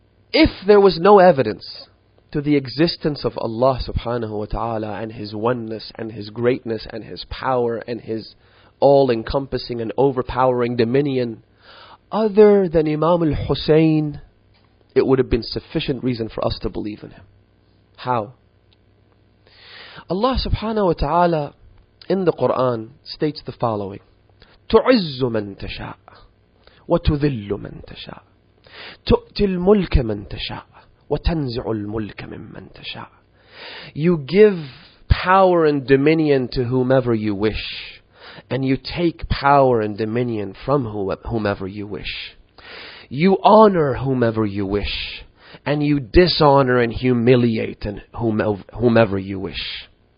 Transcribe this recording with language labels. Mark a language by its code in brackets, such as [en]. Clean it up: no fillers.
[en] If there was no evidence to the existence of Allah subhanahu wa ta'ala and His oneness and His greatness and His power and His all-encompassing and overpowering dominion, other than Imam al-Husayn, it would have been sufficient reason for us to believe in Him. How? Allah subhanahu wa ta'ala in the Quran states the following: [ar] تُعِزُّ مَن تَشَاءُ وَتُذِلُّ مَن تَشَاءُ تُؤْتِي الْمُلْكَ مَن تَشَاءُ وَتَنْزِعُ الْمُلْكَ مِمَّن تَشَاءُ. [en] You give power and dominion to whomever you wish, and you take power and dominion from whomever you wish. You honor whomever you wish, and you dishonor and humiliate and whomever you wish.